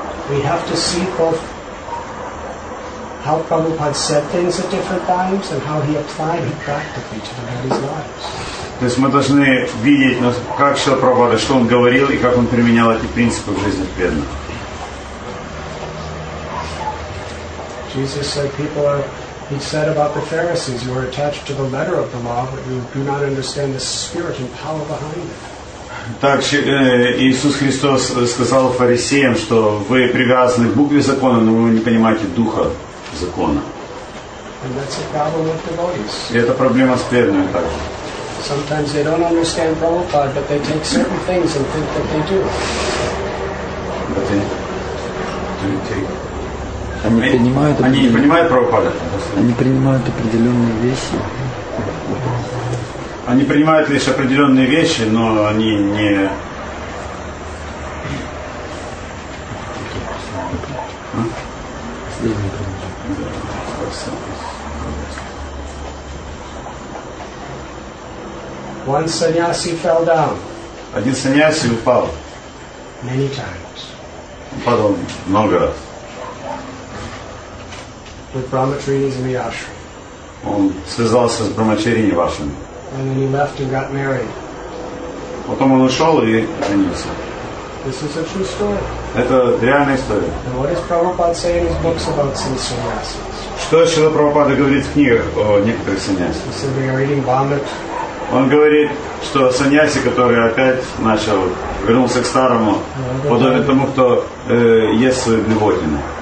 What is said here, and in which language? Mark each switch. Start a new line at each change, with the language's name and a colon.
English: We have to see both how Prabhupada said things at different times and how he applied it practically to the various lives.
Russian: То есть мы должны видеть, как Шрила Прабхупада, что он говорил и как он применял эти принципы в жизни преданных.
English: Jesus said people are. He said about the Pharisees, you are attached to the letter of the law, but you do not understand the spirit and power behind it.
Russian: Так, Иисус Христос сказал фарисеям, что вы привязаны к букве закона, но вы не понимаете духа закона.
English: And that's a problem with devotees.
Russian: И это проблема с преданными также.
English: Sometimes they don't understand Prabhupada, but they take certain things and think that they do. But they don't take.
Russian: Они не понимают Прабхупада. Они принимают определенные вещи. Они принимают лишь определенные вещи, но они не.
English: One sannyasi fell down.
Russian: Один сannyasi упал.
English: Many times.
Russian: Упал он много раз.
English: With Brahmacharinis in the ashram.
Russian: Он связался с Брахмачарини в ашраме.
English: And then he left and got married.
Russian: Потом он ушел и женился.
English: This is a true story.
Russian: Это реальная история.
English: And what does Prabhupada say in his books about some sannyasis?
Russian: Что Шрила Прабхупада говорит в книгах о некоторых сannyasis?
English: He said they are eating vomit.
Russian: Он говорит, что саньяси, который опять начал, вернулся к старому, подобен тому, кто ест свои блевотины.